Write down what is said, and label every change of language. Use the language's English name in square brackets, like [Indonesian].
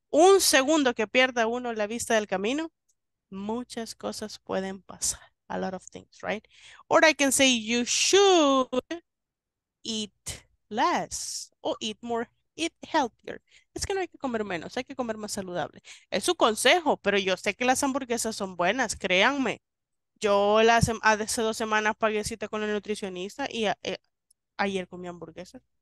[Spanish] Un segundo que pierda uno la vista del camino, muchas cosas pueden pasar. [English] A lot of things, right? Or I can say you should eat less or eat more. Eat healthier. [Spanish] Es que no hay que comer menos, hay que comer más saludable. Es su consejo, pero yo sé que las hamburguesas son buenas, créanme. Yo hace dos semanas pagué cita con el nutricionista y ayer comí hamburguesas.